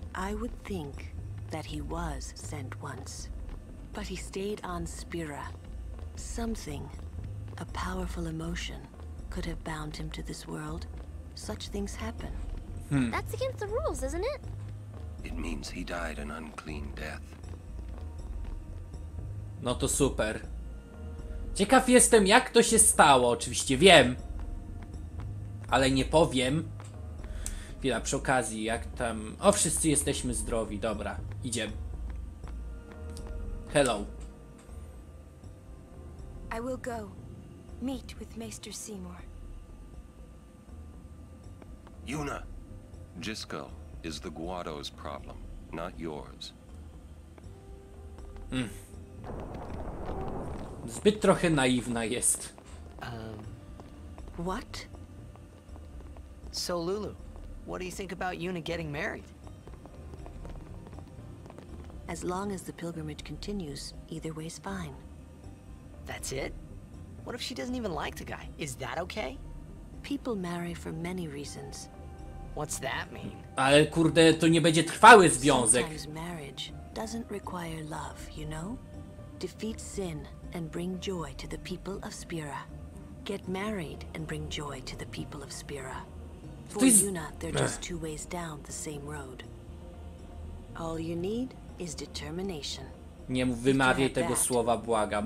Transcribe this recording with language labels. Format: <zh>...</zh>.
<en>I would think that he was sent once, but he stayed on Spira. Something, a powerful emotion, could have bound him to this world. Such things happen. That's against the rules, isn't it? It means he died an unclean death.</en> <pl>No to super. Ciekaw jestem, jak to się stało. Oczywiście wiem, ale nie powiem. Chwila, przy okazji, jak tam... O, wszyscy jesteśmy zdrowi, dobra, idziemy.</pl> <en>Hello. I will go. Meet with Maester Seymour. Yuna! Jiskel is the Guado's problem, not yours.</en> <pl>Zbyt trochę naiwna jest.</pl> <en>What? So, Lulu. What do you think about Yuna getting married? As long as the pilgrimage continues, either way's fine. That's it? What if she doesn't even like the guy? Is that okay? People marry for many reasons. What's that mean?</en> <pl>Ale kurde, to nie będzie trwały związek.</pl> <en>Sometimes marriage doesn't require love, you know? Defeat sin and bring joy to the people of Spira. Get married and bring joy to the people of Spira. For Yuna, they're just two ways down the same road. All you need is determination.</en> <pl>Nie wymawiaj tego słowa, błagam.</pl>